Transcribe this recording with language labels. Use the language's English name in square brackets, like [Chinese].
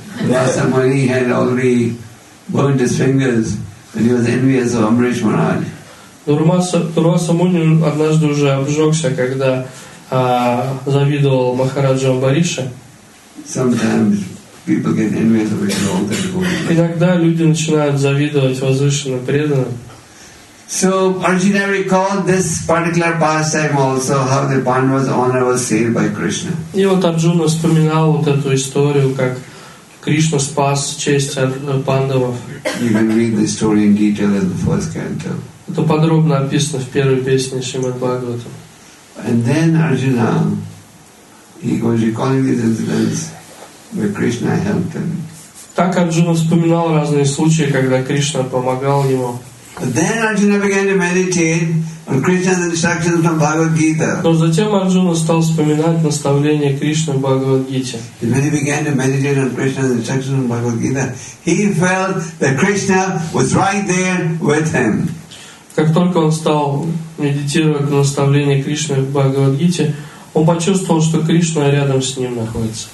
[English] Дурваца Муни had already burned his fingers and he was envious of Amrish Maharaj. [Russian] Дурваца Муни однажды уже обжегся, когда завидовал Махараджу Амбарише. [English] Sometimes people get envious of each other. [Russian] Иногда люди начинают завидовать возвышенным преданным. [English] So Arjuna recalled this particular pastime also, how the Pandavas' honor was saved by Krishna. [Russian] И вот Арджуна вспоминал вот эту историю, как Кришна спас честь пандавов. [English] You can read the story in detail in the first canto. [Russian] Это подробно описано в первой песне Шримад-Бхагаватам. [English] And then Arjuna, he was recalling these incidents where Krishna helped him. [Russian] Так Арджуна вспоминал разные случаи, когда Кришна помогал ему. [English] But then Arjuna began to meditate on Krishna's instructions from Bhagavad Gita. [Russian] Но затем Арджуна стал вспоминать наставления Кришны в Бхагавад Гите. [English] When he began to meditate on Krishna's instructions from Bhagavad Gita, he felt that Krishna was right there with him. [Russian] Как только он стал медитировать на наставления Кришны в Бхагавад Гите, он почувствовал, что Кришна рядом с ним находится.